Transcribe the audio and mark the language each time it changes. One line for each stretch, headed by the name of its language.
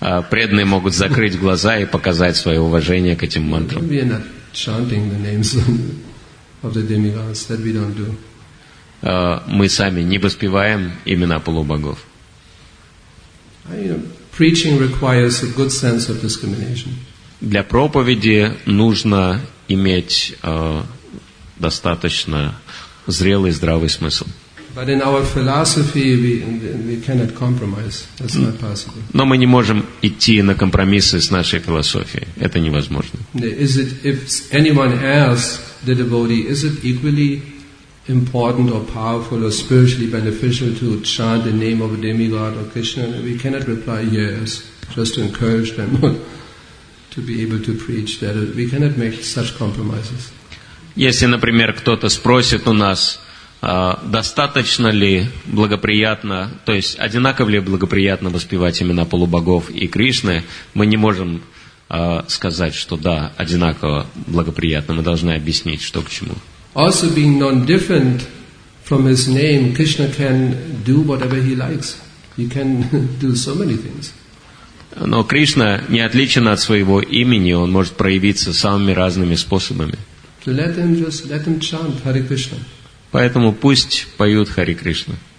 Russian: Преданные могут закрыть глаза и показать свое уважение к этим мантрам.
English: We are not chanting the names of the demigods, that we don't do.
Russian: Мы сами не воспеваем имена полубогов.
English: Preaching requires a good sense of discrimination.
Russian: Для проповеди нужно иметь достаточно зрелый, здравый смысл.
English: But in our philosophy, we cannot compromise. That's not possible.
Russian: Но мы не можем идти на компромиссы с нашей философией. Это невозможно.
English: Is it, if anyone asks the devotee, is it equally important or powerful or spiritually beneficial to chant the name of a demigod or Krishna? We cannot reply yes, just to encourage them to be able to preach that. We cannot make such compromises.
Russian: Если, например, кто-то спросит у нас, достаточно ли благоприятно, то есть одинаково ли благоприятно воспевать имена полубогов и Кришны, мы не можем сказать, что да, одинаково благоприятно. Мы должны объяснить, что к чему.
English: Also being non-different from his name, Krishna can do whatever he likes. He can do so many things.
Russian: Но Кришна не отличен от своего имени, он может проявиться самыми разными способами.
English: So let him chant Hare Krishna.
Russian: Поэтому пусть поют Хари Кришна.